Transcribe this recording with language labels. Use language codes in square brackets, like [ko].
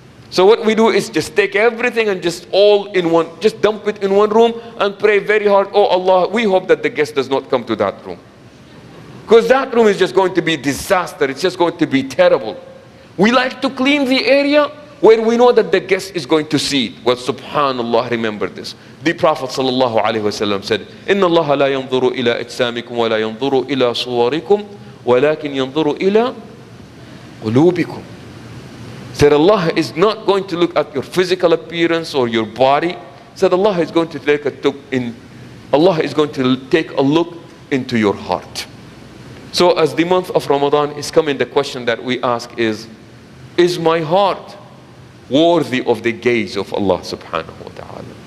[en] So what we do is just take everything and just all in one, just dump it in one room and pray very hard, oh Allah, we hope that the guest does not come to that room. Because that room is just going to be a disaster, it's just going to be terrible. We like to clean the area where we know that the guest is going to see it. Well, subhanAllah, remember this. The Prophet sallallahu alayhi wasallam said, [ar] إِنَّ اللَّهَ لَا يَنْظُرُ إِلَىٰ أَجْسَامِكُمْ وَلَا يَنْظُرُ إِلَىٰ صُوَرِكُمْ وَلَكِنْ يَنْظُرُ إِلَىٰ قُلُوبِكُمْ. [en] Said Allah is not going to look at your physical appearance or your body. Said Allah is going to take a look in, Allah is going to take a look into your heart. So as the month of Ramadan is coming, the question that we ask is my heart worthy of the gaze of Allah subhanahu wa ta'ala?